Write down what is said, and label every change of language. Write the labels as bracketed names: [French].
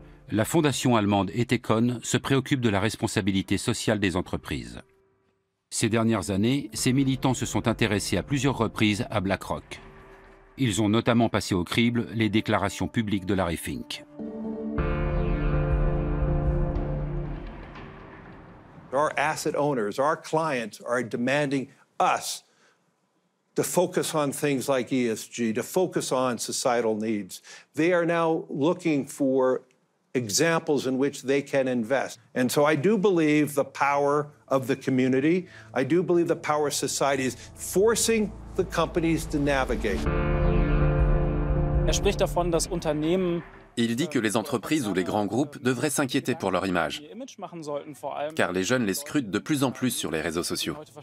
[French] La fondation allemande Ethicon se préoccupe de la responsabilité sociale des entreprises. Ces dernières années, ses militants se sont intéressés à plusieurs reprises à BlackRock. Ils ont notamment passé au crible les déclarations publiques de Larry Fink. [English] Our asset owners, our clients are demanding us to focus on things like ESG, to focus on societal needs. They are now looking for examples in which they can invest. And so I do believe the power of the community, I do believe the power of society is forcing the companies to navigate. [German] Er spricht davon, dass Unternehmen. [French] Il dit que les entreprises ou les grands groupes devraient s'inquiéter pour leur image, car les jeunes les scrutent de plus en plus sur les réseaux sociaux.